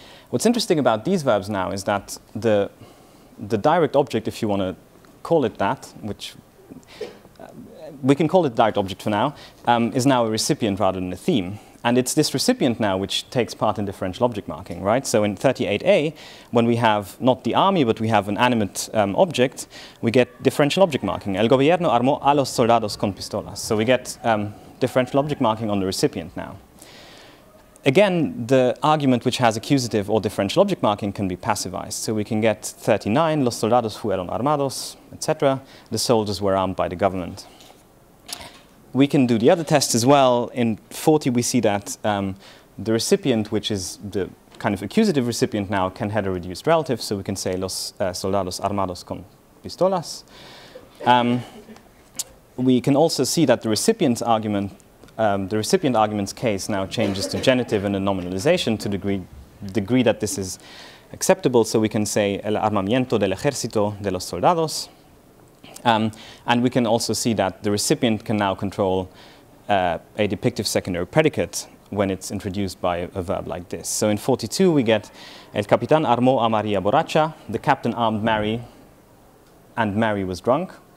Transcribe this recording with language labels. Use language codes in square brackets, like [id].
[en] What's interesting about these verbs now is that the direct object, if you want to call it that, which we can call it direct object for now, is now a recipient rather than a theme. And it's this recipient now which takes part in differential object marking, right? So in 38a, when we have not the army, but we have an animate object, we get differential object marking. [es] El gobierno armó a los soldados con pistolas. [en] So we get differential object marking on the recipient now. Again, the argument which has accusative or differential object marking can be passivized. So we can get 39, [es] los soldados fueron armados, etc. [en] The soldiers were armed by the government. We can do the other test as well. In 40, we see that the recipient, which is the kind of accusative recipient now, can head a reduced relative. So we can say [es] los soldados armados con pistolas. [en] We can also see that the recipient argument's case now changes to genitive and a nominalization to the degree that this is acceptable, so we can say [es] el armamiento del ejército de los soldados. [en] And we can also see that the recipient can now control a depictive secondary predicate when it's introduced by a verb like this. So in 42 we get [es] el capitán armó a María borracha, [en] the captain armed Mary, and Mary was drunk.